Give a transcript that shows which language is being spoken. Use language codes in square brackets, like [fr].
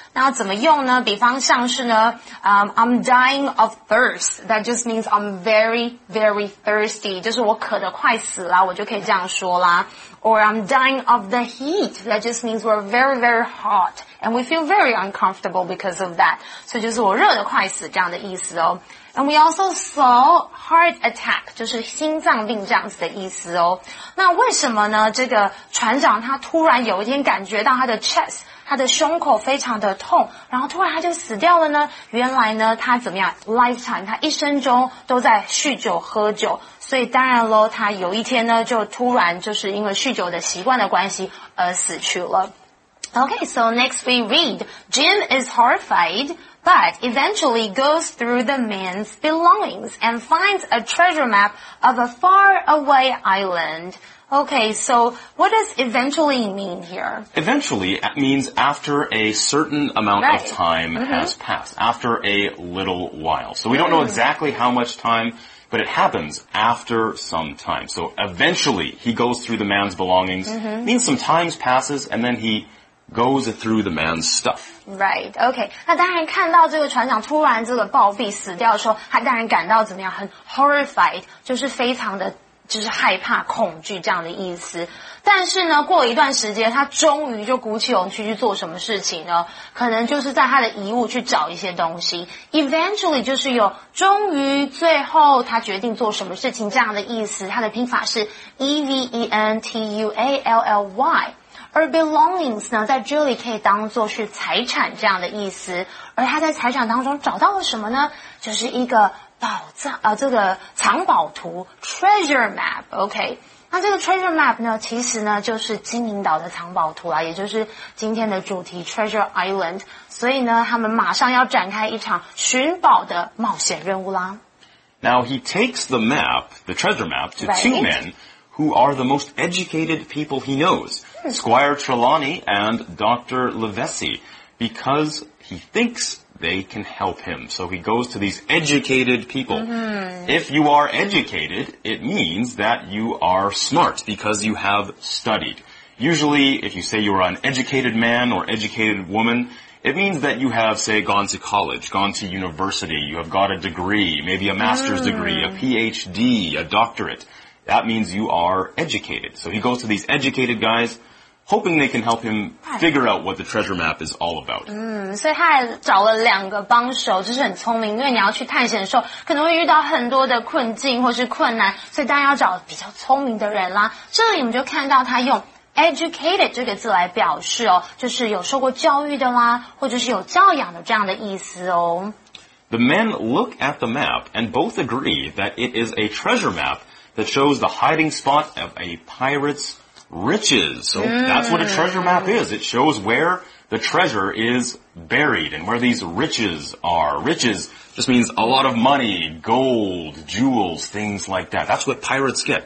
[zh] 那怎么用呢比方像是呢、 [en] I'm dying of thirst. That just means I'm very, very thirsty. [zh] 就是我渴得快死啦我就可以这样说啦。 [en] Or I'm dying of the heat. That just means we're very, very hot. And we feel very uncomfortable because of that. [zh] 所以就是我热得快死这样的意思哦。 [en] And we also saw heart attack, [zh] 就是心脏病这样子的意思哦。那为什么呢这个船长他突然有一天感觉到他的 chest, 他的胸口非常的痛然后突然他就死掉了呢原来呢他怎么样 lifetime, 他一生中都在酗酒喝酒。所以当然咯他有一天呢就突然就是因为酗酒的习惯的关系而死去了。 [en] Okay, so next we read, Jim is horrified, but eventually goes through the man's belongings and finds a treasure map of a far away island. Okay, so what does eventually mean here? Eventually means after a certain amount of time has passed, after a little while. So we don't know exactly how much time But it happens after some time. So eventually he goes through the man's belongings. Mm-hmm. Means some time passes and then he goes through the man's stuff. Right, okay. [zh] 那当然看到这个船长突然这个暴毙死掉的时候他当然感到怎么样很 horrified, 就是非常的就是害怕恐惧这样的意思。但是呢过了一段时间他终于就鼓起勇气去做什么事情呢可能就是在他的遗物去找一些东西。 Eventually 就是有终于最后他决定做什么事情这样的意思。他的拼法是 eventually。而 belongings 呢在这里可以当作是财产这样的意思。而他在财产当中找到了什么呢就是一个宝藏这个藏宝图 treasure map, OK。那这个 treasure map 呢其实呢就是金银岛的藏宝图啦也就是今天的主题 treasure island。所以呢他们马上要展开一场寻宝的冒险任务啦。 [en] Now he takes the map, the treasure map, to two men who are the most educated people he knows, Squire Trelawney and Dr. Livesey, because he thinks they can help him. So he goes to these educated people. If you are educated, it means that you are smart because you have studied. Usually, if you say you are an educated man or educated woman, it means that you have, say, gone to college, gone to university, you have got a degree, maybe a master's degree, a PhD, a doctorate. That means you are educated. So he goes to these educated guys,hoping they can help him figure out what the treasure map is all about. [zh] 所以他还找了两个帮手就是很聪明因为你要去探险的时候可能会遇到很多的困境或是困难所以大家要找比较聪明的人啦。这里我们就看到他用 educated 这个字来表示哦就是有受过教育的啦或者是有教养的这样的意思哦。 [en] The men look at the map and both agree that it is a treasure map that shows the hiding spot of a pirate's riches. So that's what a treasure map is. It shows where the treasure is buried and where these riches are. Riches just means a lot of money, gold, jewels, things like that. That's what pirates get.